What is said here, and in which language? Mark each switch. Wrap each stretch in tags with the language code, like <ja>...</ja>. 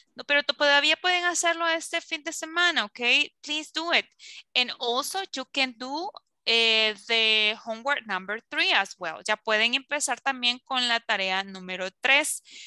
<es>No, pero todavía pueden hacerlo este fin de semana, ¿ok?</es> <en>Please do it. And also you can do the homework number 3 as well.</en> <es>Ya pueden empezar también con la tarea número 3.</es>